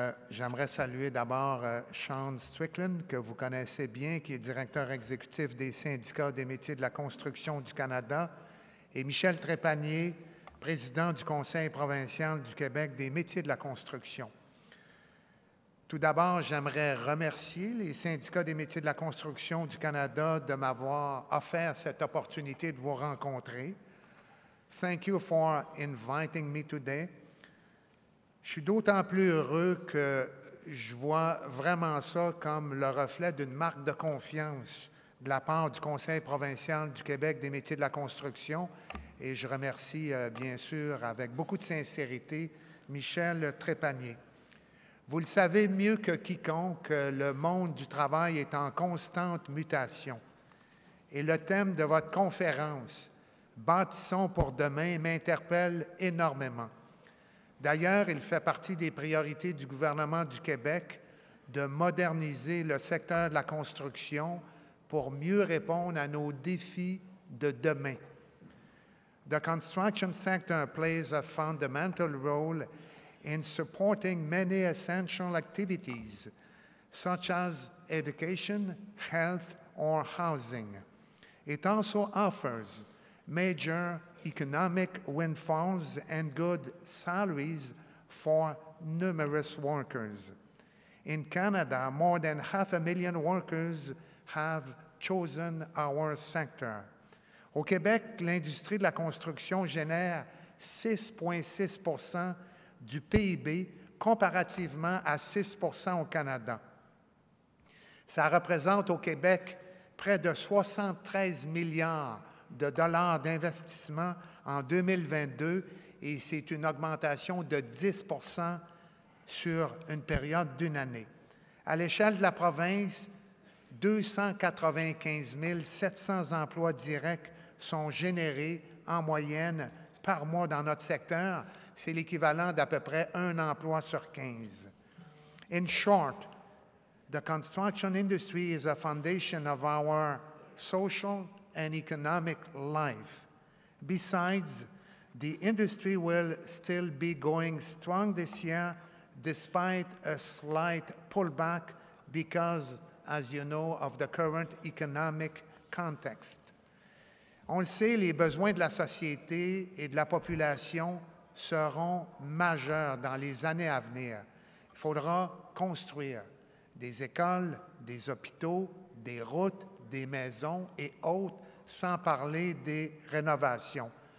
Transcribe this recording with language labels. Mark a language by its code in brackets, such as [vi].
[fr] J'aimerais saluer d'abord Sean Strickland, que vous connaissez bien, qui est directeur exécutif des syndicats des métiers de la construction du Canada, et Michel Trépanier, président du Conseil provincial du Québec des métiers de la construction. Tout d'abord, j'aimerais remercier les syndicats des métiers de la construction du Canada de m'avoir offert cette opportunité de vous rencontrer. [en] Thank you for inviting me today. [fr] Je suis d'autant plus heureux que je vois vraiment ça comme le reflet d'une marque de confiance de la part du Conseil provincial du Québec des métiers de la construction. Et je remercie, bien sûr, avec beaucoup de sincérité, Michel Trépanier. Vous le savez mieux que quiconque, le monde du travail est en constante mutation. Et le thème de votre conférence, « Bâtissons pour demain », m'interpelle énormément. D'ailleurs, il fait partie des priorités du gouvernement du Québec de moderniser le secteur de la construction pour mieux répondre à nos défis de demain. [en] The construction sector plays a fundamental role in supporting many essential activities, such as education, health, or housing. It also offers major economic windfalls and good salaries for numerous workers. In Canada, more than 500,000 workers have chosen our sector. [fr] Au Québec, l'industrie de la construction génère 6,6% du PIB comparativement à 6% au Canada. Ça représente au Québec près de 73 milliards de dollars d'investissement en 2022 et c'est une augmentation de 10% sur une période d'une année. À l'échelle de la province, 295 700 emplois directs sont générés en moyenne par mois dans notre secteur. C'est l'équivalent d'à peu près un emploi sur 15. [en] In short, the construction industry is a foundation of our social and economic life. Besides, the industry will still be going strong this year, despite a slight pullback because, as you know, of the current economic context. [fr] On le sait, les besoins de la société et de la population seront majeurs dans les années à venir. Il faudra construire des écoles, des hôpitaux, des routes, des maisons et autres, sans parler des rénovations.